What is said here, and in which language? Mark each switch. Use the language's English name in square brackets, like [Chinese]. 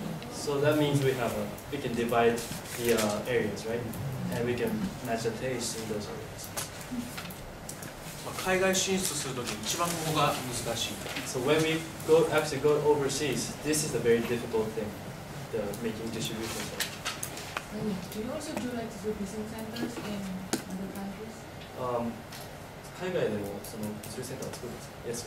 [English] So that means we can divide the areas, right? And we can match the taste in those areas. [Japanese] 海外進出するときに一番ここが難しい。 [English] So when we go, actually go overseas, this is a very difficult thing, the making distribution center. Do you also do like distribution centers in other countries? [Japanese] 海外でもその物流センターを作るんですか。